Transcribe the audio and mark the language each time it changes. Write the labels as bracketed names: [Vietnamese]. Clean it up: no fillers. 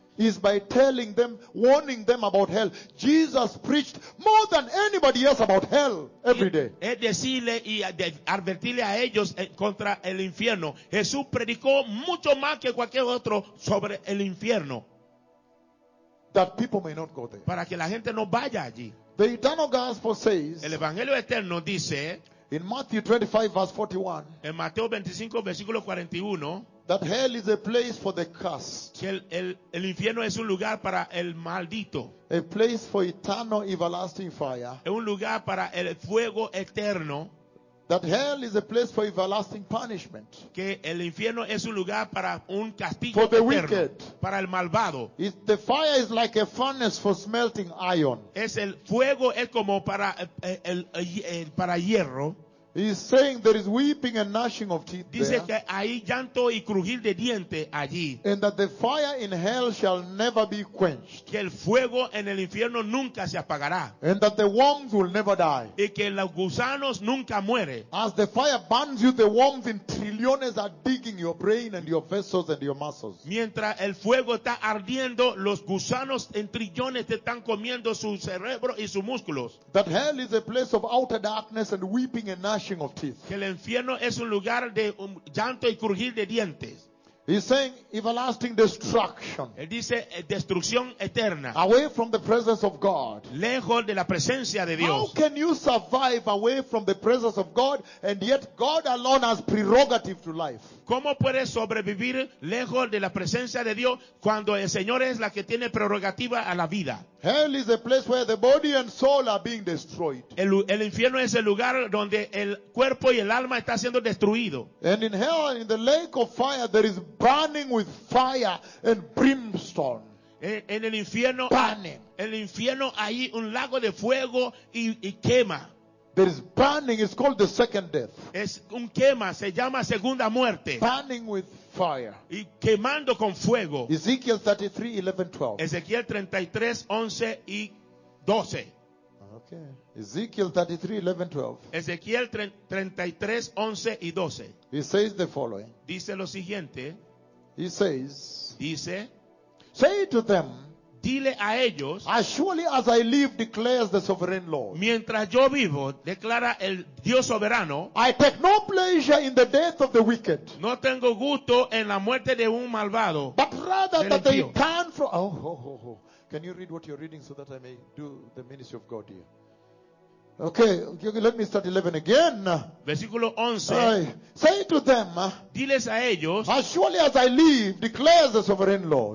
[English] is by telling them, warning them about hell. Jesus preached more than anybody else about hell every day. [Spanish] Es decirle y advertirle a ellos contra el infierno. Jesús predicó mucho más que cualquier otro sobre el infierno. [English] That people may not go there. [Spanish] Para que la gente no vaya allí. [English] The eternal gospel says, [Spanish] el evangelio eterno dice, [English] in Matthew 25 verse 41, [Spanish] en Mateo 25 versículo 41, [English] that hell is a place for the cursed. [Spanish] Que el infierno es un lugar para el maldito. [English] A place for eternal everlasting fire. [Spanish] Es un lugar para el fuego eterno. [English] That hell is a place for everlasting punishment. [Spanish] Que el infierno es un lugar para un castigo [English] for the [Spanish] eterno, [English] wicked. [Spanish] Para el malvado. [English] It, the fire is like a furnace for smelting iron. [Spanish] Es el fuego es como para el para hierro. [English] He's saying there is weeping and gnashing of teeth. [Spanish] Dice [English] there, [Spanish] que hay llanto y crujir de diente allí. [English] And that the fire in hell shall never be quenched. [Spanish] Que el fuego en el infierno nunca se apagará. [English] And that the worms will never die. [Spanish] Y que los gusanos nunca mueren. [English] As the fire burns you, the worms in trillions are digging your brain and your vessels and your muscles. [Spanish] Mientras el fuego está ardiendo, los gusanos en trillones te están comiendo su cerebro y sus músculos. [English] That hell is a place of outer darkness and weeping and gnashing of teeth. [Spanish] Que el infierno es un lugar de llanto y crujir de dientes. [English] He's saying everlasting destruction. [Spanish] Él dice destrucción eterna. [English] Away from the presence of God. [Spanish] Lejos de la presencia de Dios. [English] How can you survive away from the presence of God and yet God alone has prerogative to life? [Spanish] ¿Cómo puede sobrevivir lejos de la presencia de Dios cuando el Señor es la que tiene prerrogativa a la vida? [English] Hell is a place where the body and soul are being destroyed. [Spanish] El infierno es el lugar donde el cuerpo y el alma está siendo destruido. [English] And in hell, in the lake of fire, there is burning with fire and brimstone. [Spanish] En el infierno, [English] burning. [Spanish] El infierno hay un lago de fuego y quema. [English] There is burning. It's called the second death. [Spanish] Es un quema. Se llama segunda muerte. [English] Burning with fire. [Spanish] Y quemando con fuego. [English] Ezekiel 33, 11, 12. [Spanish] Ezequiel 33, 11 y 12. [English] Okay. Ezekiel 33, 11, 12. [Spanish] Ezequiel 33, 11 y 12. [English] He says the following. [Spanish] Dice lo siguiente. [English] He says. [Spanish] Dice. [English] Say to them. [Spanish] Dile a ellos, [English] as surely as I live, declares the sovereign Lord. [Spanish] Mientras yo vivo, declara el Dios soberano. [English] I take no pleasure in the death of the wicked. [Spanish] No tengo gusto en la muerte de un malvado. [English] But rather that they turn from. Oh. Can you read what you're reading so that I may do the ministry of God here? Okay, let me start 11 again. [Spanish] Versículo 11. [English] Say to them, [Spanish] diles a ellos, [English] as surely as I live, declares the sovereign Lord.